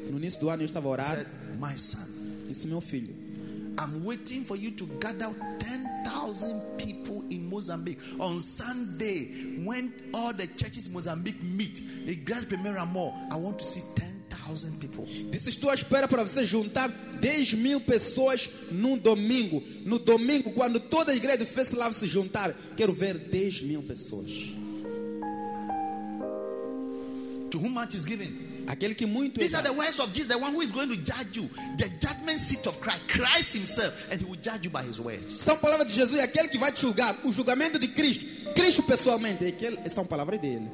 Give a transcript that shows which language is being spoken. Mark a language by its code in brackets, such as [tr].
[pt] No início do ano eu estava orando. [en] My son. [pt] Disse meu filho. [en] I'm waiting for you to gather 10,000 people in Mozambique on Sunday when all the churches in Mozambique meet. A grand premier amor, I want to see 10,000 people. [pt] Disse, estou à espera para você juntar 10 mil pessoas num domingo. No domingo, quando toda a igreja do festival se juntar, quero ver 10 mil pessoas. [en] To whom much is given? [pt] Aquele que muito. [en] These are the words of Jesus, the one who is going to judge you, the judgment seat of Christ, Christ himself, and he will judge you by his words. [pt] São palavras de Jesus, aquele que vai te julgar, o julgamento de Cristo, Cristo pessoalmente, aquele, são palavras dele.